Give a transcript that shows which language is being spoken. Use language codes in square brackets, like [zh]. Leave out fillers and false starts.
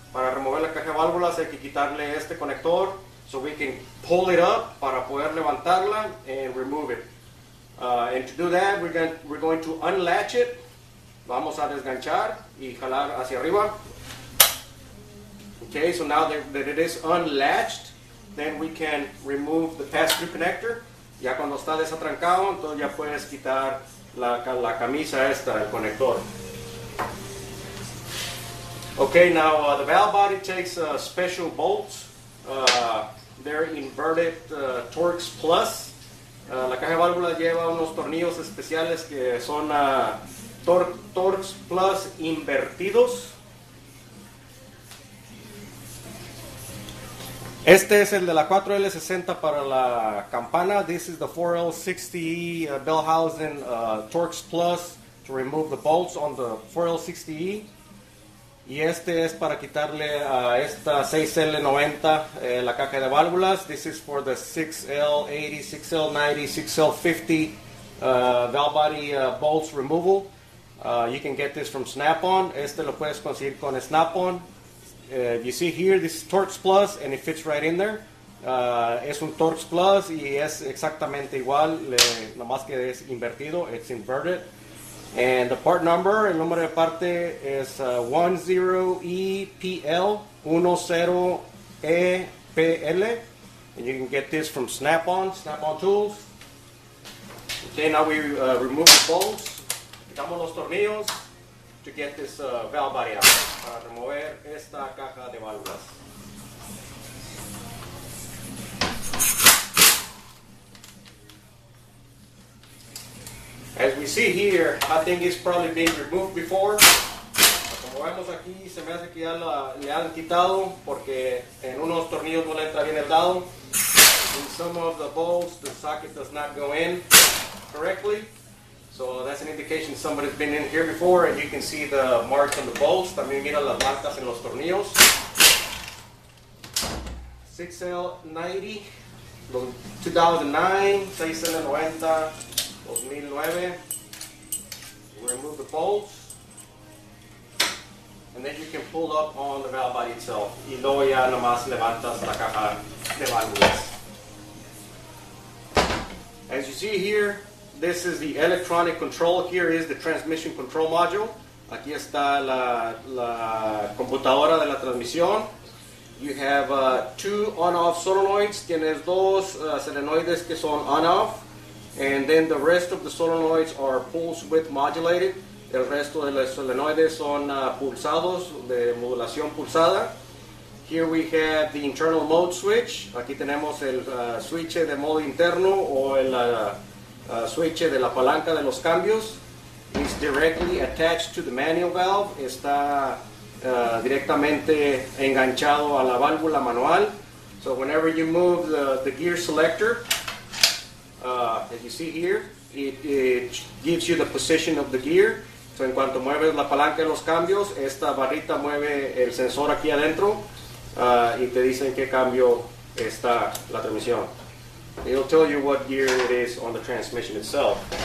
[es] Para remover la caja de válvulas hay que quitarle este conector [en] so we can pull it up [es] para poder levantarla [en] and remove it. And to do that, we're going to unlatch it. [es] Vamos a desganchar y jalar hacia arriba. [en] Okay, so now that it is unlatched, then we can remove the pass-through connector. [es] Ya cuando está desatrancado, entonces ya puedes quitar la camisa esta, el conector. [en] Okay, now the valve body takes special bolts. They're inverted Torx Plus. [es] La caja de válvulas lleva unos tornillos especiales que son Torx Plus invertidos. Este es el de la 4L60 para la campana. [en] This is the 4L60E bell housing Torx Plus to remove the bolts on the 4L60E. [es] Y este es para quitarle a esta 6L90 la caja de válvulas. [en] This is for the 6L80, 6L90, 6L50 valve body bolts removal. You can get this from Snap-on. [es] Este lo puedes conseguir con Snap-on. [en] You see here, this is Torx Plus, and it fits right in there. [es] Es un Torx Plus, y es exactamente igual, nomás que es invertido, [en] it's inverted. And the part number, [es] el número de parte es 10EPL10EPL. [en] And you can get this from Snap-on, Snap-on Tools. Okay, now we remove the bolts. [es] Quitamos los tornillos. [en] To get this valve body out, [es] para remover esta caja de válvulas. [en] As we see here, I think it's probably been removed before. [es] Como vemos aquí, se me hace que ya le han quitado, porque en unos tornillos no le entra bien el dado. [en] in some of the bolts, the socket does not go in correctly. So that's an indication somebody's been in here before, and you can see the marks on the bolts. [es] También mira las marcas en los tornillos. 6L90, 2009, 6L90, 2009. [en] Remove the bolts, and then you can pull up on the valve body itself. [es] Y luego ya nomás levantas la caja de válvulas. [en] As you see here, this is the electronic control. Here is the transmission control module. [es] Aquí está la computadora de la transmisión. [en] You have two on-off solenoids. [es] Tienes dos solenoides que son on-off. [en] And then the rest of the solenoids are pulse width modulated. [es] El resto de los solenoides son pulsados, de modulación pulsada. [en] Here we have the internal mode switch. [es] Aquí tenemos el switch de modo interno o el switch de la palanca de los cambios. [en] It's directly attached to the manual valve. [es] Está directamente enganchado a la válvula manual. [en] So whenever you move the gear selector, as you see here, it gives you the position of the gear. [es] So en cuanto mueves la palanca de los cambios, esta barrita mueve el sensor aquí adentro y te dice en qué cambio está la transmisión. [en] It'll tell you what gear it is on the transmission itself.